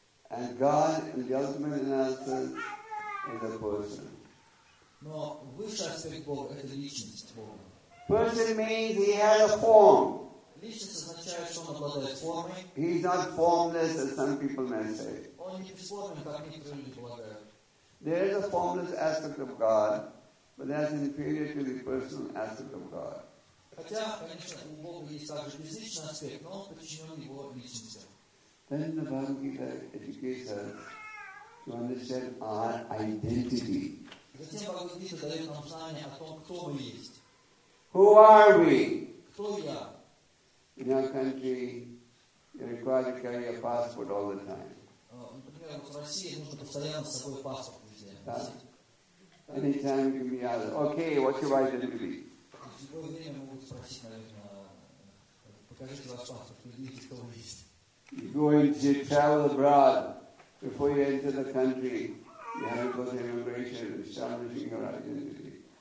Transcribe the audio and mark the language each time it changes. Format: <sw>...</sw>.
<en>And God, in the ultimate analysis, is a person.</en> <ru>Но высший аспект Бога — это личность Бога.</ru> <en>Person means he has a form.</en> <ru>Личность означает, что он обладает формой.</ru> <en>He is not formless, as some people may say.</en> <ru>Он не бесформен, как некоторые люди полагают.</ru> <en>There is a formless aspect of God, but that's inferior to the personal aspect of God.</en> <ru>Хотя, конечно, у Бога есть также безличный аспект, но он подчинен его личности.</ru> <en>Then the Bhagavad-gita educates us to understand our identity.</en> <ru>Затем Бхагавад-гита дает нам знание о том, кто мы есть.</ru> <en>Who are we?</en> <ru>Кто я?</ru> <en>In our country, you're required to carry a passport all the time.</en> <ru>Например, в России нужно постоянно с собой паспорт везде.</ru> <en>Anytime you can be asked, okay, what's your identity?</en> <ru>В любое время могут спросить, наверное, покажите ваш паспорт, видите, кто вы есть.</ru> <en>You're going to travel abroad. Before you enter the country, you have to go to immigration, establishing your identity.</en>